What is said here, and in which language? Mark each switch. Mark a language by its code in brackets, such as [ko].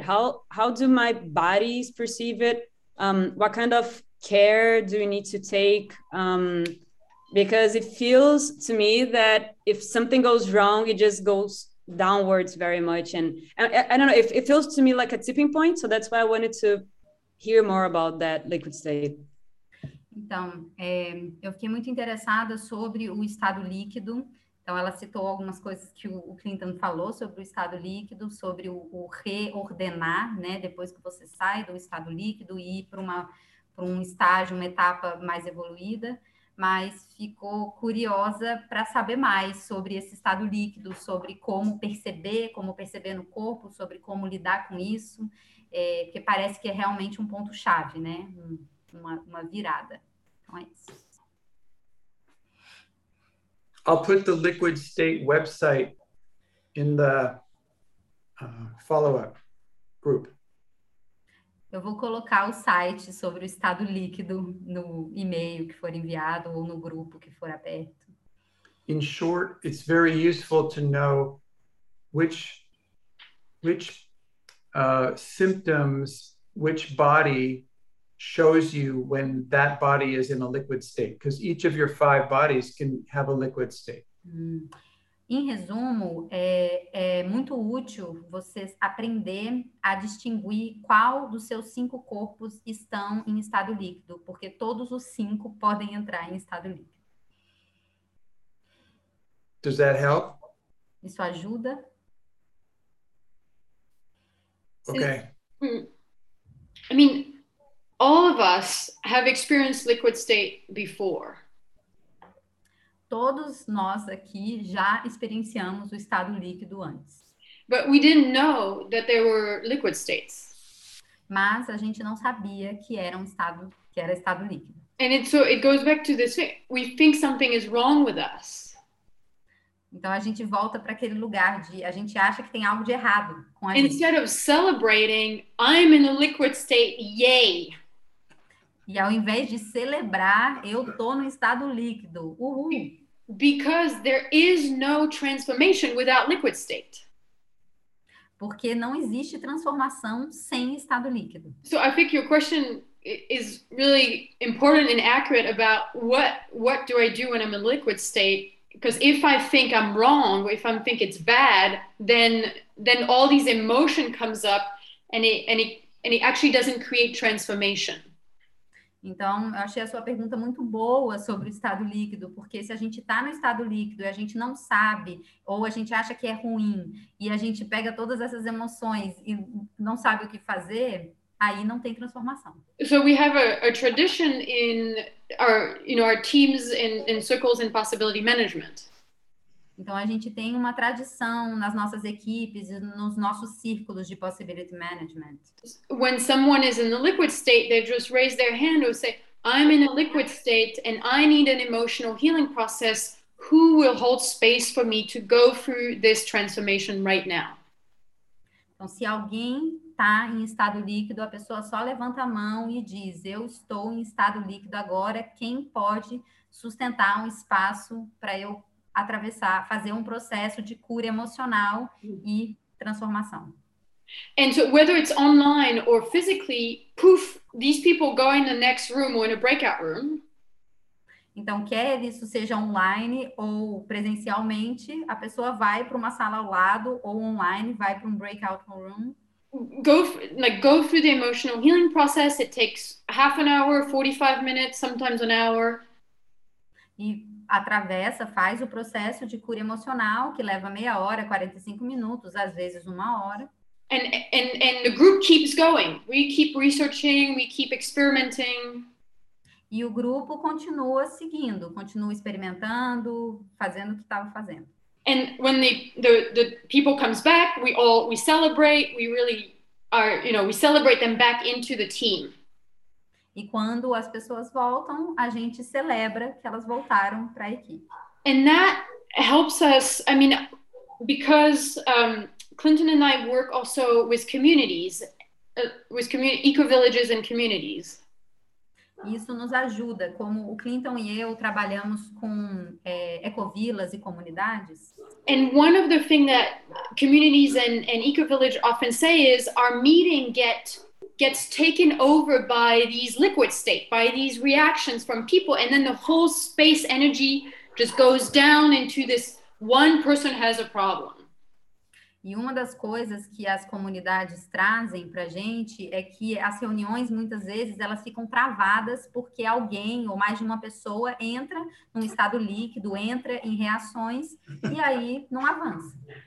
[en] How do my bodies perceive it? What kind of care do we need to take? Because it feels to me that if something goes wrong, it just goes downwards very much. And I don't know, it feels to me like a tipping point. So that's why I wanted to hear more about that liquid state. [pt] Então, eu fiquei muito interessada sobre o estado líquido. Então, ela citou algumas coisas que o Clinton falou sobre o estado líquido, sobre o reordenar, né, depois que você sai do estado líquido e ir para um estágio, uma etapa mais evoluída, mas ficou curiosa para saber mais sobre esse estado líquido, sobre como perceber no corpo, sobre como lidar com isso, que parece que é realmente um ponto-chave, né? Uma virada. Então é isso. [en] I'll put the Liquid State website in the follow-up group. [pt] Eu vou colocar o site sobre o estado líquido no e-mail que for enviado ou no grupo que for aberto. [en] In short, it's very useful to know which symptoms, which body shows you when that body is in a liquid state, because each of your five bodies can have a liquid state. [pt] Em resumo, é muito útil você aprender a distinguir qual dos seus cinco corpos estão em estado líquido, porque todos os cinco podem entrar em estado líquido. [en] Does that help? [pt] Isso ajuda? [en] Okay. I mean, all of us have experienced liquid state before. [pt] Todos nós aqui já experienciamos o estado líquido antes. [en] But we didn't know that there were liquid states. [pt] Mas a gente não sabia que era estado líquido. [en] And it goes back to this, we think something is wrong with us. [pt] Então a gente volta para aquele lugar de a gente acha que tem algo de errado com a [en] Instead [pt] gente. [en] Instead of celebrating, I'm in a liquid state, yay! [pt] E ao invés de celebrar, eu tô no estado líquido. Uhul. [en] Because there is no transformation without liquid state. [pt] Porque não existe transformação sem estado líquido. [en] So I think your question is really important and accurate about what do I do when I'm in liquid state? Because if I think I'm wrong, if I think it's bad, then all these emotion comes up and it actually doesn't create transformation. [pt] Então, eu achei a sua pergunta muito boa sobre o estado líquido, porque se a gente está no estado líquido e a gente não sabe, ou a gente acha que é ruim, e a gente pega todas essas emoções e não sabe o que fazer, aí não tem transformação. [en] So we have a tradition in our, you know, our teams in circles in possibility management. [pt] Então, a gente tem uma tradição nas nossas equipes e nos nossos círculos de possibility management. [en] When someone is in the liquid state, they just raise their hand and say, I'm in a liquid state and I need an emotional healing process. Who will hold space for me to go through this transformation right now? [pt] Então, se alguém está em estado líquido, a pessoa só levanta a mão e diz, eu estou em estado líquido agora, quem pode sustentar um espaço para eu atravessar, fazer processo de cura emocional e transformação. [en] And so whether it's online or physically, poof, these people go in the next room or in a breakout room. [pt] Então, quer isso seja online ou presencialmente, a pessoa vai para uma sala ao lado ou online, vai para um breakout room. [en] Go through the emotional healing process. It takes half an hour, 45 minutes, sometimes an hour. [pt] E atravessa, faz o processo de cura emocional, que leva meia hora, 45 minutos, às vezes uma hora. [en] And the group keeps going. We keep researching, we keep experimenting. [pt] E o grupo continua seguindo, continua experimentando, fazendo o que estava fazendo. [en] And when the people comes back, we celebrate, we really are, you know, we celebrate them back into the team. [pt] E quando as pessoas voltam, a gente celebra que elas voltaram para a equipe. [en] And that helps us, I mean, because Clinton and I work also with communities, eco-villages and communities. [pt] Isso nos ajuda, como o Clinton e eu trabalhamos com ecovilas e comunidades. [en] And one of the things that communities and eco-village often say is our meeting gets taken over by these liquid state, by these reactions from people, and then the whole space energy just goes down into this one person has a problem. [pt] E uma das coisas que as comunidades trazem para a gente é que as reuniões, muitas vezes, elas ficam travadas porque alguém ou mais de uma pessoa entra num estado líquido, entra em reações e aí não avança.